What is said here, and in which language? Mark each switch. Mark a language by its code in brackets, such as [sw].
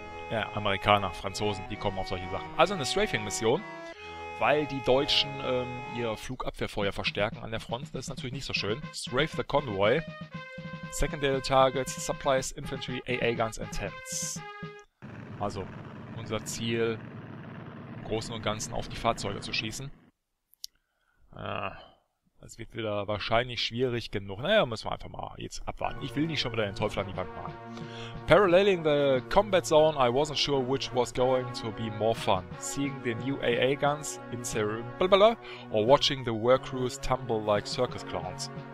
[de] Ja, Amerikaner, Franzosen, die kommen auf solche Sachen. Also eine Strafing-Mission, weil die Deutschen ihr Flugabwehrfeuer verstärken an der Front. Das ist natürlich nicht so schön. [en] Strafe the convoy. Secondary targets, supplies, infantry, AA guns and tents. [de] Also, unser Ziel, im Großen und Ganzen auf die Fahrzeuge zu schießen. Das wird wieder wahrscheinlich schwierig genug. Naja, müssen wir einfach mal jetzt abwarten. Ich will nicht schon wieder den Teufel an die Wand machen. [en] Paralleling the combat zone, I wasn't sure which was going to be more fun. Seeing the new AA guns in blablabla, or watching the work crews tumble like circus clowns.